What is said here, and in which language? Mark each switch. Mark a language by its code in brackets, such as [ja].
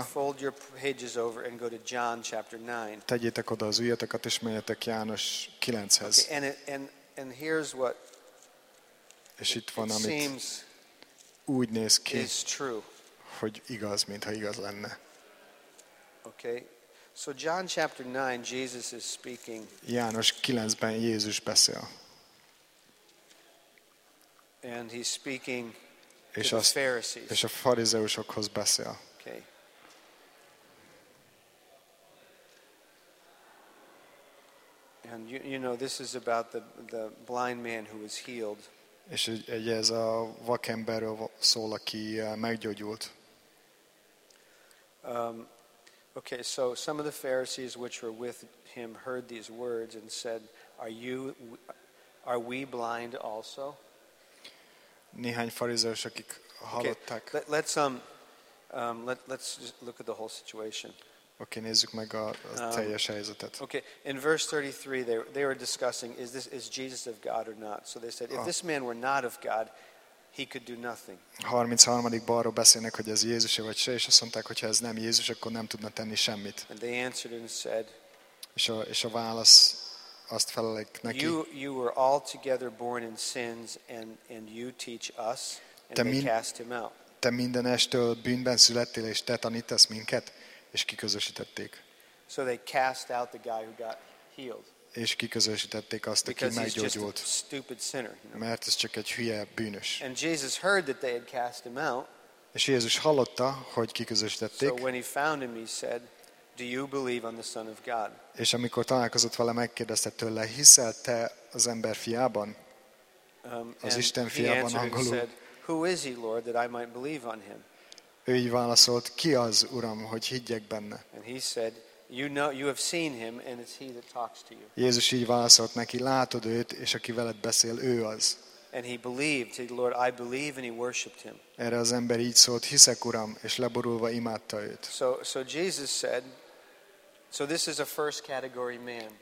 [en] Fold your pages over and go to John chapter 9. [hu] Tegyétek oda az ujjatokat, és menjetek János 9-hez. [en] Okay, and here's what [hu] és itt van, amit úgy néz ki, hogy igaz, mintha igaz lenne. [en] Okay. So John chapter 9, Jesus is speaking. [hu] János 9-ben Jézus beszél. [en] And he's speaking to the Pharisees. [hu] És a farizeusokhoz beszél. [en] Okay. And you know, this is about the blind man who was healed. [hu] És ugye ez a vakemberről szól, aki meggyógyult. [en] Okay, so some of the Pharisees which were with him heard these words and said, are we blind also? [hu] Néhány farizeus, akik hallották. [en] Okay, let's just look at the whole situation. [hu] Okay, nézzük meg a teljes helyzetet. [en] Okay, in verse 33 they were discussing is Jesus of God or not. So they said if this man were not of God, he could do nothing. 33. [hu] balról beszélnek, hogy ez Jézus-e vagy se, és azt mondták, hogy ha ez nem Jézus, akkor nem tudna tenni semmit. [en] And they answered and said, [hu] és a válasz azt felelik neki. [en] You were all together born in sins and you teach us and they cast him out. [hu] Te mindenestől bűnben születtél és te tanítasz minket. És kiközösítették. [en] So they cast out the guy who got healed. [hu] És kiközösítették azt, aki meggyógyult. [en] Because he's just a stupid sinner, you know? [hu] Mert ez csak egy hülye bűnös. [en] And Jesus heard that they had cast him out. [hu] És Jézus hallotta, hogy kiközösítették. [en] So when he found him, he said, "Do you believe on the Son of God?" [hu] És amikor találkozott vele, megkérdezte tőle, hiszel te az ember fiában, az Isten fiában, angolul? [en] And he said, "Who is he, Lord, that I might believe on him?" [hu] Ő így válaszolt, ki az, Uram, hogy higgyek benne? [en] And he said, you know, you have seen him, and it's he that talks to you. [hu] Jézus így válaszolt neki, látod őt, és aki veled beszél, ő az. [en] And he believed, said, Lord, I believe, and he worshipped him. [hu] Erre az ember így szólt, hiszek, Uram, és leborulva imádta őt. [en] So Jesus said, so this is a first category man.